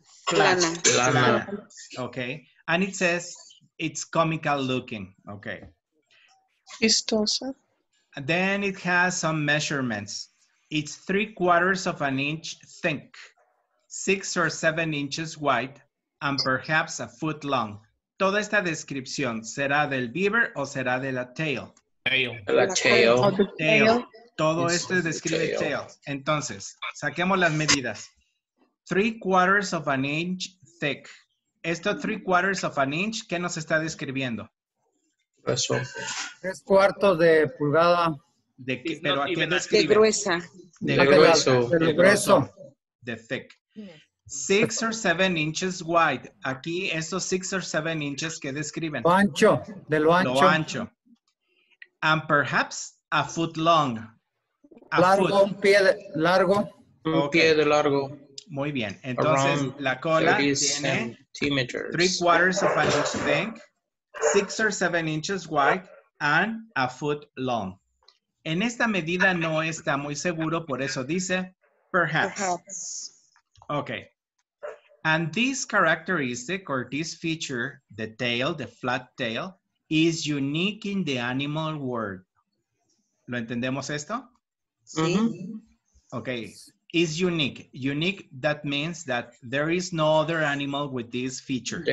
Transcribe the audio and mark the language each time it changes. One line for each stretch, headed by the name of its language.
English: Plana. Okay, and it says it's comical looking. Okay.
Spanish: Chistosa.
English: Then it has some measurements. It's 3/4 of an inch thick, 6 or 7 inches wide, and perhaps a foot long.
Spanish: Toda esta descripción, ¿será del beaver o será de la tail? La tail. Todo esto describe tail. Entonces, saquemos las medidas.
English: 3/4 of an inch thick.
Spanish: Esto
English: 3/4 of an inch,
Spanish: ¿qué nos está describiendo? Eso. 3/4 de pulgada. De qué, ¿pero a qué describe? De gruesa. De grueso. De grueso.
English: De thick. 6 or 7 inches wide.
Spanish: Aquí, estos
English: 6 or 7 inches,
Spanish: ¿qué describen? Lo ancho. Lo ancho.
English: And perhaps a foot long.
Spanish: Un pie de largo. Muy bien. Entonces, around la cola tiene
English: centimeters. 3/4 of an inch thick, 6 or 7 inches wide, and a foot long.
Spanish: En esta medida no está muy seguro, por eso dice perhaps.
English: Okay. And this characteristic or this feature, the tail, the flat tail, is unique in the animal world.
Spanish: ¿Lo entendemos esto? Mm-hmm.
English: Okay, is unique. Unique, that means that there is no other animal with this feature.